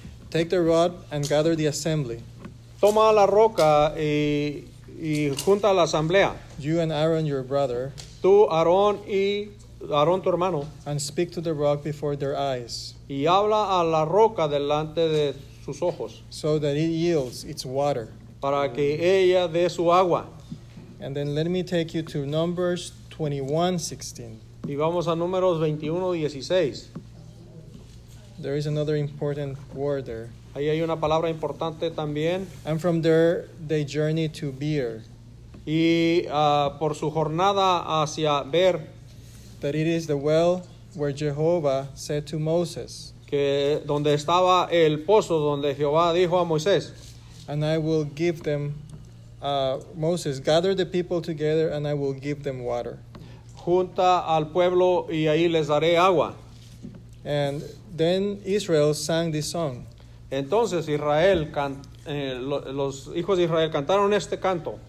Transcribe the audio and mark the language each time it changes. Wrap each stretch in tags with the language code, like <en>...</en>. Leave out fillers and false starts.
<en>Take the rod and gather the assembly.</en> <es>Toma la roca y junta la asamblea.</es> <en>You and Aaron, your brother.</en> <es>Tú, Aarón, y Aarón, tu hermano.</es> <en>And speak to the rock before their eyes.</en> <es>Y habla a la roca delante de sus ojos.</es> <en>So that it yields its water.</en> <es>Para que ella dé su agua.</es> <en>And then let me take you to Numbers 21:16.</en> <es>Y vamos a Números 21:16.</es> <en>There is another important word there.</en> <es>Ahí hay una palabra importante también.</es> <en>And from there they journey to Beer.</en> <es>Y por su jornada hacia Beer.</es> <en>That it is the well where Jehovah said to Moses.</en> <es>Que donde estaba el pozo donde Jehová dijo a Moisés.</es> <en>And I will give them, Moses, gather the people together and I will give them water.</en> <es>Junta al pueblo y ahí les daré agua.</es> <en>And then Israel sang this song.</en> <es>Entonces Israel, los hijos de Israel cantaron este canto.</es>